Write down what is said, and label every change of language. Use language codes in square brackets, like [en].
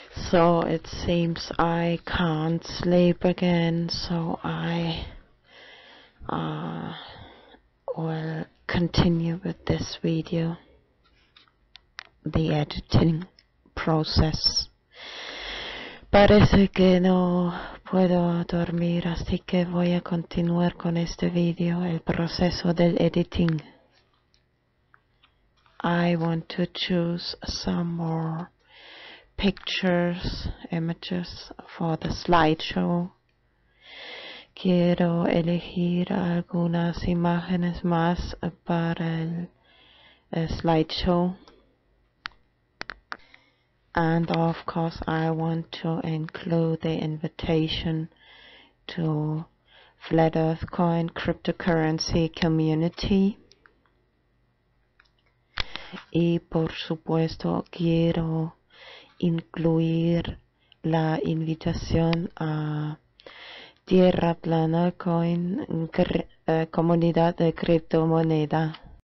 [en] So it seems I can't sleep again, so I will continue with this video, the editing process. [es] Parece que no puedo dormir, así que voy a continuar con este video, el proceso del editing. [en] I want to choose some more pictures, images for the slideshow. [es] Quiero elegir algunas imágenes más para el slideshow. [en] And of course I want to include the invitation to Flat Earth Coin Cryptocurrency Community. [es] Y por supuesto quiero incluir la invitación a Tierra Plana Coin, comunidad de criptomoneda.